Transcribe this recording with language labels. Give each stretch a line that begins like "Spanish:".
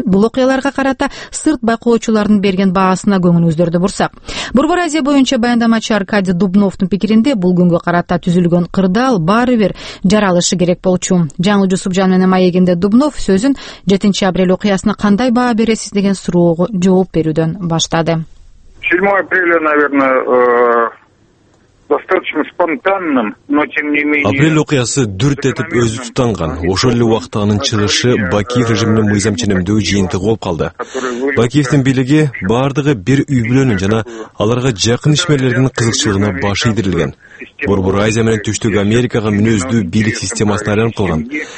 Kyrgyz: Бул окуяларга карата сырт байкоочулардын берген баасына көңүлүңүздөрдү бурсак. Борбор Азия боюнча баяндамачы Аркадий Дубновдун пикиринде бул күнгө карата түзүлгөн кырдаал баары бир жаралышы керек болчу. Жаңы Жусупжан менен маегинде Дубнов сөзүн 7-апрель окуясына кандай баа бересиз деген суроого жооп берүүдөн баштады.
Russian: 7-апреля, наверное, достаточно спонтанным, но тем не менее.
Kyrgyz: Апрель окуясы дүрт этип өзү тутанган. Ошол эле убакта анын чыгышы Бакиев режимине мыйзам ченемдөө жыйынтыгы болуп калды. Бакиевдин бийлиги баардыгы бир үй бүлөнүн жана аларга жакын ишмерлердин кызыкчылыгына баш ийдирилген. Борбор Азия менен Түштүк Америкага мүнөздүү бийлик системасын айланып калган.